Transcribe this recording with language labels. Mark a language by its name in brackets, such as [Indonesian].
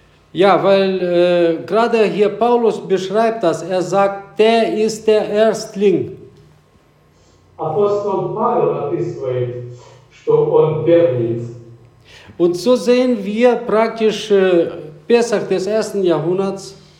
[German] Ja, weil gerade hier Paulus beschreibt das. Er sagt, der ist der Erstling. [Russian] Apostel Paulus описывает, что он первый. [German] Und so sehen wir praktisch Pesach des ersten Jahrhunderts.